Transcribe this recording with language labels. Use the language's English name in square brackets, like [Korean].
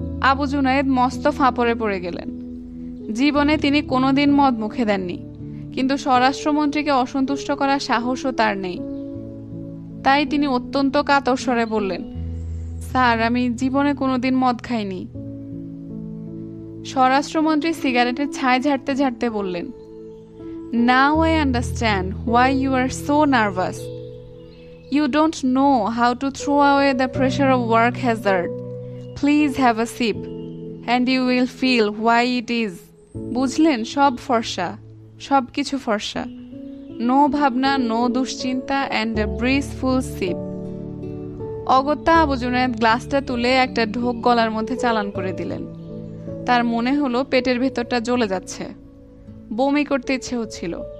[Bangla] আবু জুনায়েদ মস্ত ফাঁপড়ে পড়ে গেলেন, জীবনে তিনি কোনোদিন মদ মুখে দেননি, কিন্তু স্বরাষ্ট্রমন্ত্রীকে অসন্তুষ্ট করার সাহসও তার নেই, তাই তিনি অত্যন্ত কাতরস্বরে বললেন, স্যার আমি জীবনে কোনোদিন মদ খাইনি। স্বরাষ্ট্রমন্ত্রী সিগারেটের ছাই ঝাড়তে ঝাড়তে বললেন, [English] Now I understand why you are so nervous, You don't know how to throw away the pressure of work hazard. Please have a sip and you will feel why it is. [Bangla] বুঝলেন, সব ফর্সা, সব কিছু ফর্সা। [English] no [Bangla] ভাবনা, [English] no [Bangla] দুশ্চিন্তা [English] And a blissful sip. [Bangla] অগত্যা আবু জুনায়েদ গ্লাসটা তুলে একটা ঢোক গলার মধ্যে চালান করে দিলেন। তার মনে হলো পেটের ভেতরটা জ্বলে যাচ্ছে, বমি করতে ইচ্ছে হচ্ছিল।